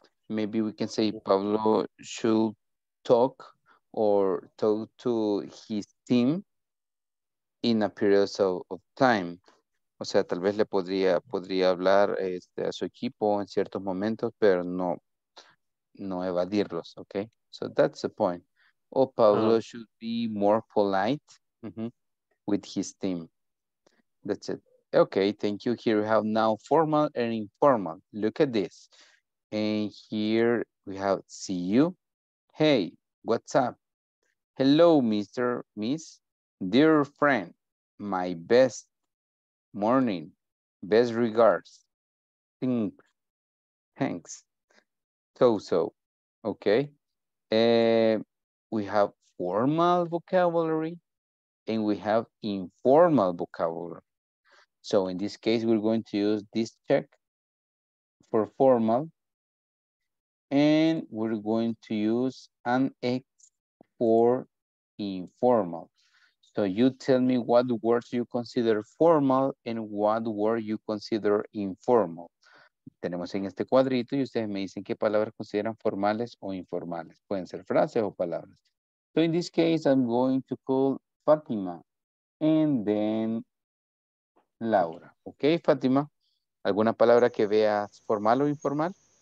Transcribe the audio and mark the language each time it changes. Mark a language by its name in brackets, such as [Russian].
[English] Maybe we can say Pablo should talk or talk to his team in a period of time. [Spanish] O sea, tal vez le podría hablar a su equipo en ciertos momentos, pero no evadirlos, okay? [English] So that's the point. O Pablo should be more polite with his team. That's it. Okay, thank you. Here we have now formal and informal. Look at this. And here we have see you. Hey, what's up? Hello, Mr. Miss. Dear friend, my best morning. Best regards. Thanks. So. Okay. We have formal vocabulary and we have informal vocabulary. So in this case, we're going to use this check for formal. And we're going to use an X for informal. So So you tell me what words you consider formal and what word you consider informal. [Spanish] Tenemos en este cuadrito y ustedes me dicen qué palabras consideran formales o informales. Pueden ser frases o palabras. [English] So in this case, I'm going to call Fátima and then Laura. [Spanish] Ok, Fátima, ¿alguna palabra que veas formal o informal?